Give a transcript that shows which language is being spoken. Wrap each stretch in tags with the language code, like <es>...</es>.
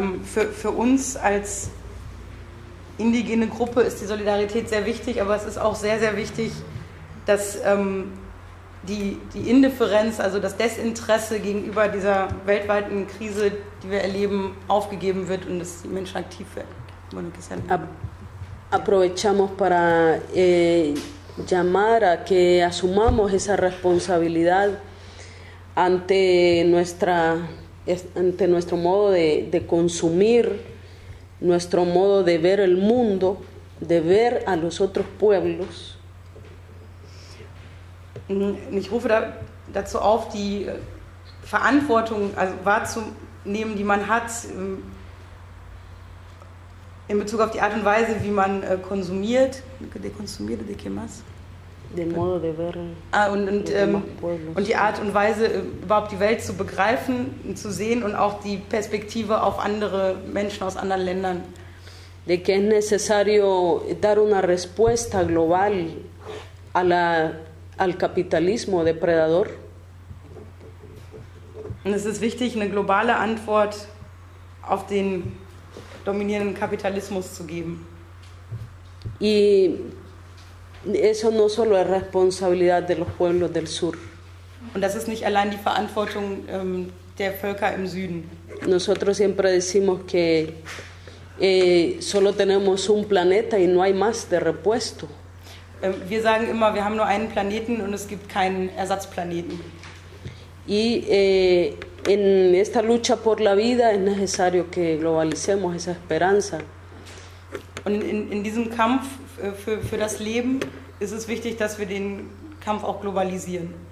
<de>Für uns als indigene Gruppe ist die Solidarität sehr wichtig, aber es ist auch sehr, sehr wichtig, dass die Indifferenz, also das Desinteresse gegenüber dieser weltweiten Krise, die wir erleben, aufgegeben wird und dass die Menschen aktiv werden.</de> <es>Aprovechamos para llamar a que asumamos esa responsabilidad ante nuestro modo de consumir, nuestro modo de ver el mundo, de ver a los otros pueblos.</es> <de>Ich rufe dazu auf, die Verantwortung wahrzunehmen, die man hat in Bezug auf die Art und Weise, wie man konsumiert.</de> <es>Dekonsumiert, de qué más? Den modo de ver.</es> <de>Und die Art und Weise, überhaupt die Welt zu begreifen, zu sehen und auch die Perspektive auf andere Menschen aus anderen Ländern.</de> <es>De que es necesario dar una respuesta global a la. Al capitalismo depredador.</es> <de>Und es ist wichtig, eine globale Antwort auf den dominierenden Kapitalismus zu geben.</de> <es>Y eso no solo es responsabilidad de los pueblos del sur.</es> <de>Und das ist nicht allein die Verantwortung der Völker im Süden.</de> <es>Nosotros siempre decimos que solo tenemos un planeta y no hay más de repuesto.</es> <de>Wir sagen immer, wir haben nur einen Planeten und es gibt keinen Ersatzplaneten.</de> <es>Y en esta lucha por la vida es necesario que globalicemos esa esperanza.</es> <de>Und in diesem Kampf für das Leben ist es wichtig, dass wir den Kampf auch globalisieren.</de>